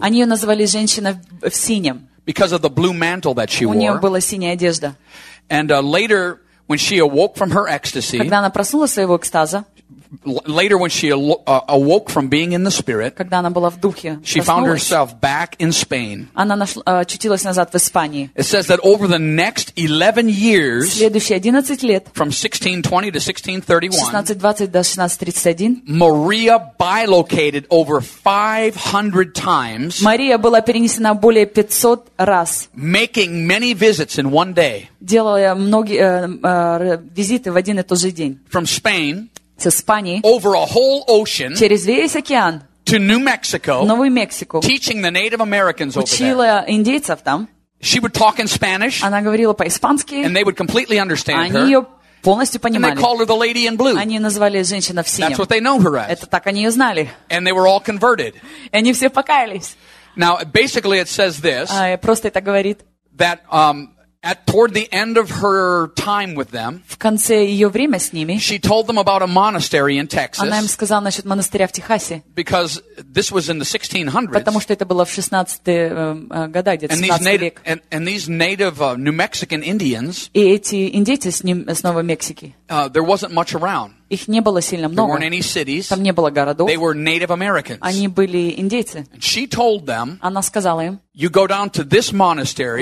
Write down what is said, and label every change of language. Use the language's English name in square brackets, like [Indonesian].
[Russian] Они ее называли женщина в синем. [English] because of the blue mantle that she wore. [Russian] У неё была синяя одежда. [English] And later, when she awoke from her ecstasy, [Russian] когда она проснулась своего экстаза, [English] later when she awoke from being in the spirit, [Russian] когда она была в духе, [English] she found herself back in Spain. [Russian] Она очутилась назад в Испании. [English] It says that over the next 11 years, [Russian] следующие 11 лет, [English] from 1620 to 1631, [Russian] 1620 до 1631, [English] Maria bilocated over 500 times. [Russian] Мария была перенесена более 500 раз. [English] Making many visits in one day. [Russian] Делая многие визиты в один и тот же день. [English] From Spain, [Russian] с Испании, [English] over a whole ocean, [Russian] через весь океан, [English] to New Mexico, [Russian] Новую Мексику, [English] teaching the Native Americans over there, [Russian] учила индейцев там. [English] She would talk in Spanish, [Russian] она говорила по-испански, [English] and they would completely understand her. [Russian] Они ее полностью понимали. [English] And they called her the lady in blue. [Russian] Они назвали женщину в синем. [English] That's what they know her as. [Russian] Это так они ее знали. [English] And they were all converted. [Russian] И они все покаялись. [English] Now, basically, it says this. [Russian] Просто это говорит. [English] That toward the end of her time with them, [Russian] в конце ее время с ними, [English] she told them about a monastery in Texas. [Russian] Она им сказала насчет монастыря в Техасе. [English] Because this was in the 1600s. [Russian] Потому что это было в 16 годах, где-то 16 век. [English] And these native New Mexican Indians. [Russian] И эти индейцы с Новой Мексики. [English] There wasn't much around. [Russian] Их не было сильно много. [English] There weren't any cities. [Russian] Там не было городов. [English] They were Native Americans. [Russian] Они были индейцы. [English] And she told them. [Russian] Она сказала им. [English] You go down to this monastery.